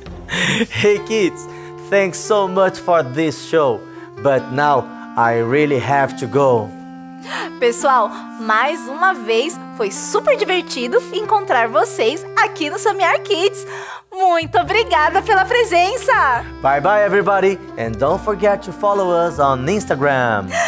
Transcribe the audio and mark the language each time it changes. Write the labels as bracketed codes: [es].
[en] Hey kids, thanks so much for this show. But now I really have to go. [pt] Pessoal, mais uma vez foi super divertido encontrar vocês aqui no Samiar Kids. Muito obrigada pela presença. [en] Bye bye everybody and don't forget to follow us on Instagram.